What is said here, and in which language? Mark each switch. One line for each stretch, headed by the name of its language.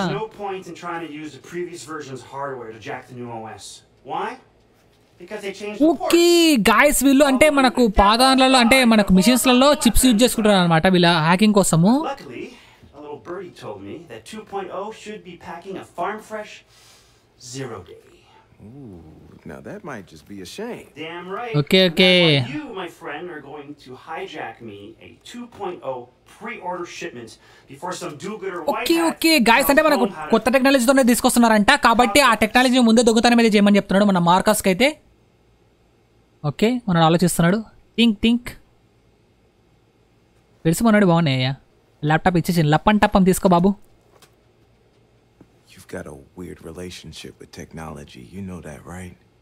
English: No point in trying to use the previous versions hardware to jack the new OS. Why? Because they changed the port. Okay guys,
Telugu: వీళ్ళు అంటే మనకు పాదాలలో అంటే మనకు machines లలో chips use చేసుకుంటారు అన్నమాట వీళ్ళ హ్యాకింగ్ కోసము.
English: A little birdie told me that 2.0 should be packing a farm fresh zero day. Ooh, now that might just be a shame. Damn right. Okay, okay. You, my friend, are going to hijack me a 2.0 pre-order shipment before some do-gooder white. Okay, okay.
Telugu: Guys, అంటే మనకు కొత్త technology తోనే తీసుకొస్తున్నారంట, కాబట్టి ఆ technology ముందే దొగుతానమే చేయమని చెప్తున్నాడు మన మార్కస్ కైతే. ఓకే మనడు ఆలోచిస్తున్నాడు,
English: Think think.
Telugu: తెలుసు మనడు బాగున్నాయి అయ్యా, ల్యాప్టాప్ ఇచ్చేసి లప్పం టప్పం తీసుకో బాబు.
English: Got a weird relationship with technology, you know that right?